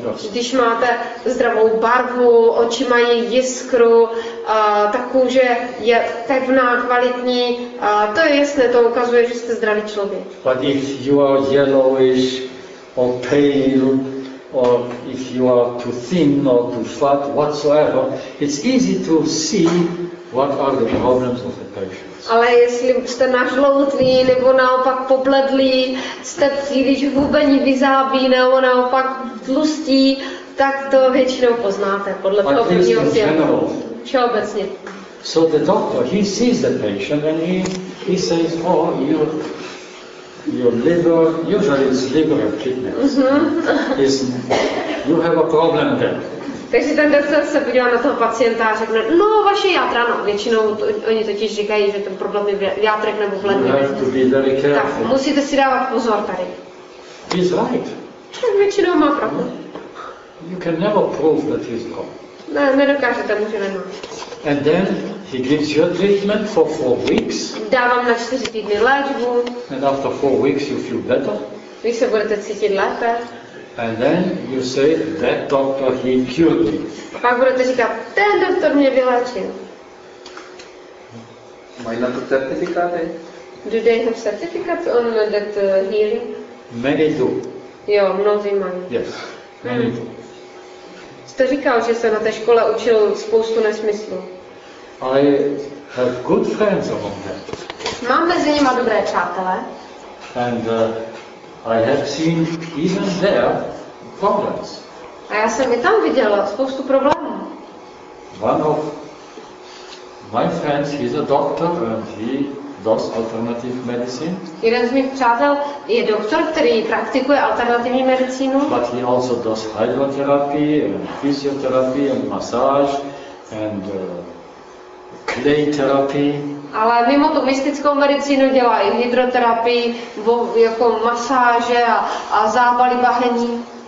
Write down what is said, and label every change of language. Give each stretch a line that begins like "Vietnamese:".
Czech: když máte zdravou barvu, oči mají jiskru, takovou, že je pevná, kvalitní, to je jasné, to ukazuje, že jste zdravý člověk.
English: But if you are yellowish or pale or if you are too thin or too fat whatsoever, it's easy to see what are the problems of the patient.
Czech: Ale jestli jste nažloutlý, nebo naopak pobledlý, jste příliš hubení, vyzábí, nebo naopak tlustí, tak to většinou poznáte podle toho prvního světa. Čo obecně?
English: So the doctor, he sees the patient and he says, oh, your liver, usually it's liver and kidneys, you have a problem there.
Czech: Takže ten doktor se podívá na toho pacienta a řekne, no vaše játra, no většinou to, oni totiž říkají, že ten problém je v játrech nebo v ledvinách. Tak musíte si dávat pozor tady.
English: He's right.
Czech: Tak většinou má pravdu.
English: You can never prove that he's wrong.
Czech: Ne, nedokážete mu, že nemá.
English: And then he gives you a treatment for 4 weeks.
Czech: Dávám na 4 týdny léčbu.
English: And after 4 weeks you feel better.
Czech: Vy se budete cítit lépe.
English: And then you say that doctor he cured me.
Czech: A pak budete říkat, ten doktor mě vyléčil. Mají na to certifikáty?
English: Do they have certificates on that healing? Many do.
Czech: Jo, mnozí mají.
English: Yes, many do.
Czech: Jste říkal, že se na té škole učil spoustu nesmyslů.
English: I have good friends among them.
Czech: Mám mezi nimi dobré přátelé.
English: And I have seen even there problems.
Czech: A já jsem i tam viděla spoustu problémů.
English: One of my friends, he's a doctor and he does alternative medicine.
Czech: Jeden z mých přátel je doktor, který praktikuje alternativní medicínu.
English: But he also does hydrotherapy and physiotherapy and massage and clay therapy.
Czech: Ale mimo tu mystickou medicínu dělá i hydroterapii, jako masáže a zábaly bahení.